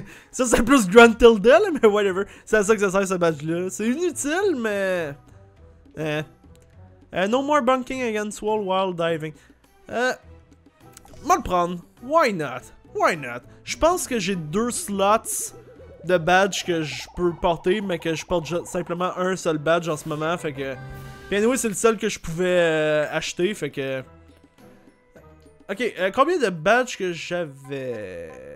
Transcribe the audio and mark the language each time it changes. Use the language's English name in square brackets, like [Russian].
[French] Ça, c'est plus Grand Tilda, là, mais whatever. C'est à ça que ça sert ce badge-là. C'est inutile, mais. [English] No more bunking against wall while diving. [French] M'en le prendre. [English] Why not? Why not? [French] Je pense que j'ai deux slots de badge que je peux porter, mais que je porte simplement un seul badge en ce moment, fait que. Bien oui, c'est le seul que je pouvais acheter, fait que. Ok, combien de badges que j'avais.